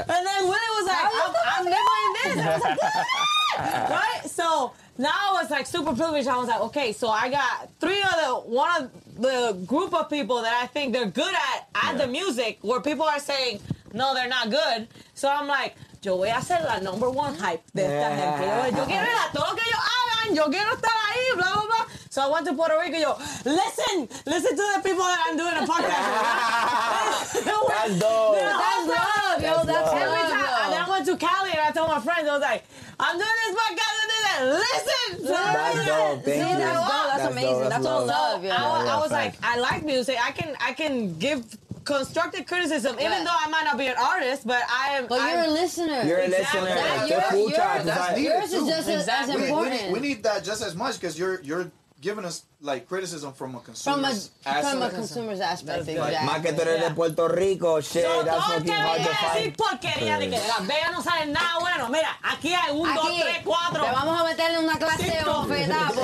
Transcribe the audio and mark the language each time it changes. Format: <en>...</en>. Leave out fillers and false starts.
<en>And then Willie was like, I'm never in this. I was like, good. Right? So now I was like super privileged. I was like, okay, so I got one of the group of people that I think they're good at the music, where people are saying, no, they're not good. So I'm like,</en> <es>yo voy a ser la</es> <en>number one hype</en> <es>de esta gente. Yo quiero ir a todo lo que ellos hagan, yo quiero estar ahí, blah, blah, blah.</es> <en>So I went to Puerto Rico, yo, listen to the people that I'm doing a podcast with. That's dope. And I went to Cali and I told my friends, I was like, I'm doing this podcast, and then listen. That's amazing. That's all love. I was like, I like music. I can give constructive criticism, even though I might not be an artist, but I am. But you're a listener. Yours is just as important. We need that just as much because you're giving us like criticism from a consumer's aspect. From a consumer's aspect, exactly.</en> <es>Más que tú eres de Puerto Rico, shit.</es> <en>So that's fucking hard to find.</en> <es>Decir porquería de que Las Vegas no sale nada bueno. Mira, aquí hay un, dos, tres, cuatro. Te vamos a meterle una clase de bofetazo.</es>